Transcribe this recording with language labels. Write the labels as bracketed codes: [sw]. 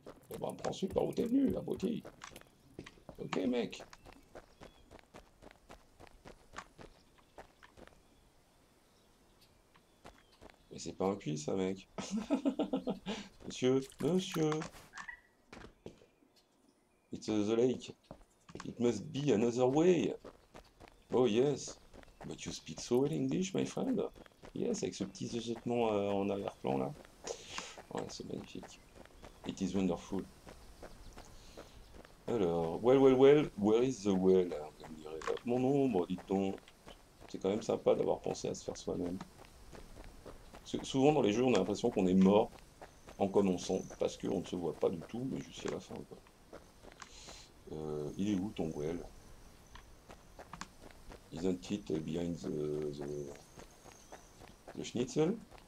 [fr] Eh ben, prends celui par où t'es venu, abruti. Ok, mec. Mais c'est pas un puits, ça, mec. Monsieur, monsieur. [en] It's the lake. It must be another way. Oh, yes. But you speak so well English, my friend. Yes, [fr] avec ce petit zozotement en arrière-plan, là. Ouais, c'est magnifique. [en] It is wonderful. [fr] Alors, [en] well, where is the well? [fr] Hein, vous me direz, hop, mon ombre, dites donc. C'est quand même sympa d'avoir pensé à se faire soi-même. Souvent dans les jeux, on a l'impression qu'on est mort en commençant, parce qu'on ne se voit pas du tout, mais jusqu'à la fin, quoi. Il est où ton well? [en] Isn't it behind the schnitzel?